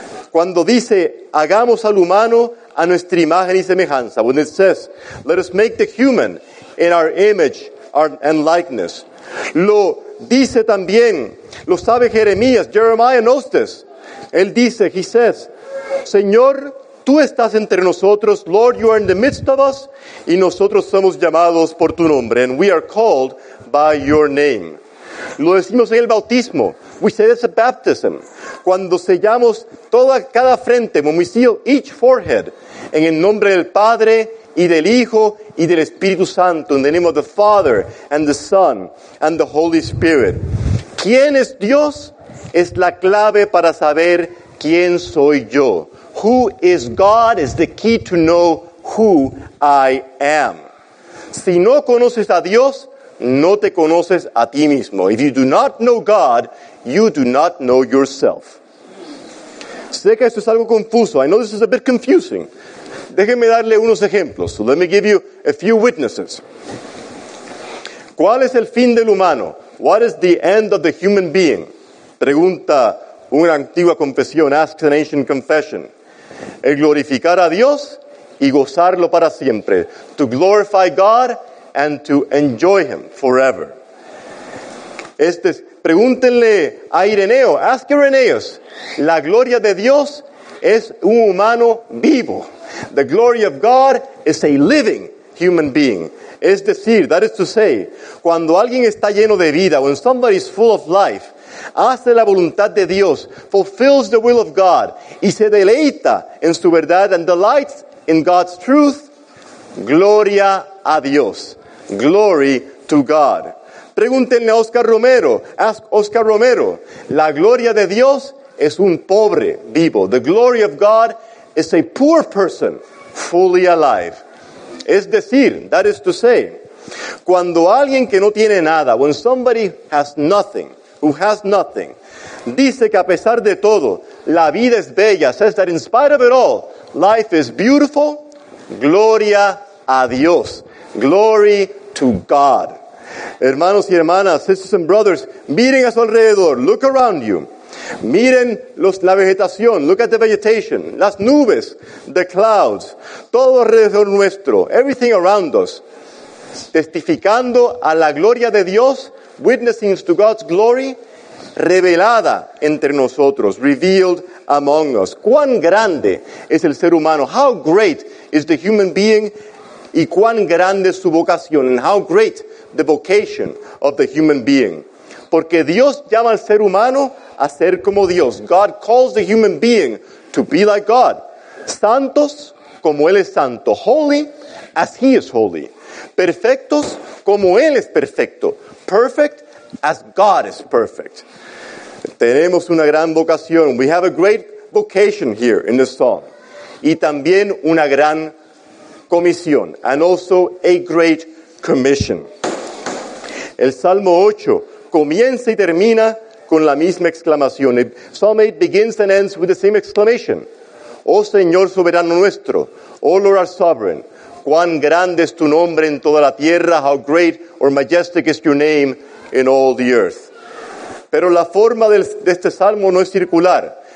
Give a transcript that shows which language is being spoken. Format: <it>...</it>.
<es>Cuando dice, hagamos al humano a nuestra imagen y semejanza.</es> <en>When it says, let us make the human in our image and likeness.</en> <es>Lo dice también, lo sabe Jeremías.</es> <en>Jeremiah knows this.</en> <es>Él dice,</es> <en>he says,</en> <es>Señor, tú estás entre nosotros.</es> <en>Lord, you are in the midst of us.</en> <es>Y nosotros somos llamados por tu nombre.</es> <en>And we are called by your name.</en> <es>Lo decimos en el bautismo.</es> <en>We say this at baptism.</en> <es>Cuando sellamos toda cada frente,</es> <en>when we seal each forehead,</en> <es>en el nombre del Padre y del Hijo y del Espíritu Santo,</es> <en>in the name of the Father and the Son and the Holy Spirit.</en> <es>¿Quién es Dios? Es la clave para saber quién soy yo.</es> <en>Who is God is the key to know who I am.</en> <es>Si no conoces a Dios, no te conoces a ti mismo.</es> <en>If you do not know God, you do not know yourself.</en> <es>Sé que esto es algo confuso.</es> <en>I know this is a bit confusing.</en> <es>Déjenme darle unos ejemplos.</es> <en>So let me give you a few witnesses.</en> <es>¿Cuál es el fin del humano?</es> <en>What is the end of the human being?</en> <es>Pregunta una antigua confesión.</es> <en>Asks an ancient confession.</en> <es>El glorificar a Dios y gozarlo para siempre.</es> <en>To glorify God and to enjoy him forever.</en> <es>Pregúntenle a Ireneo.</es> <en>Ask Ireneus.</en> <es>La gloria de Dios es un humano vivo.</es> <en>The glory of God is a living human being.</en> <es>Es decir,</es> <en>that is to say,</en> <es>cuando alguien está lleno de vida,</es> <en>when somebody is full of life,</en> <es>hace la voluntad de Dios,</es> <en>fulfills the will of God,</en> <es>y se deleita en su verdad</es> <en>and delights in God's truth,</en> <es>gloria a Dios.</es> <en>Glory to God.</en> <es>Pregúntenle a Oscar Romero.</es> <en>Ask Oscar Romero.</en> <es>La gloria de Dios es un pobre vivo.</es> <en>The glory of God is a poor person fully alive.</en> <es>Es decir,</es> <en>that is to say,</en> <es>cuando alguien que no tiene nada,</es> <en>when somebody has nothing, who has nothing,</en> <es>dice que a pesar de todo, la vida es bella,</es> <en>says that in spite of it all, life is beautiful,</en> <es>gloria a Dios.</es> <en>Glory to God.</en> <es>Hermanos y hermanas,</es> <en>sisters and brothers,</en> <es>miren a su alrededor.</es> <en>Look around you.</en> <es>Miren la vegetación.</es> <en>Look at the vegetation.</en> <es>Las nubes,</es> <en>the clouds,</en> <es>todo alrededor nuestro,</es> <en>everything around us,</en> <es>testificando a la gloria de Dios,</es> <en>witnessing to God's glory,</en> <es>revelada entre nosotros,</es> <en>revealed among us.</en> <es>¿Cuán grande es el ser humano?</es> <en>How great is the human being?</en> <es>¿Y cuán grande es su vocación?</es> <en>And how great the vocation of the human being?</en> <es>Porque Dios llama al ser humano a ser como Dios.</es> <en>God calls the human being to be like God.</en> <es>Santos como Él es santo.</es> <en>Holy as He is holy.</en> <es>Perfectos como Él es perfecto.</es> <en>Perfect as God is perfect.</en> <es>Tenemos una gran vocación.</es> <en>We have a great vocation here in this song.</en> <es>Y también una gran comisión.</es> <en>And also a great commission.</en> <es>El Salmo 8 comienza y termina con la misma exclamación.</es> <en>Psalm 8 begins and ends with the same exclamation.</en> <es>Oh Señor soberano nuestro,</es> <en>oh Lord our sovereign,</en> <es>cuán grande es tu nombre en toda la tierra,</es> <en>how great or majestic is your name in all the earth.</en> <es>Pero la forma de este salmo no es circular.</es>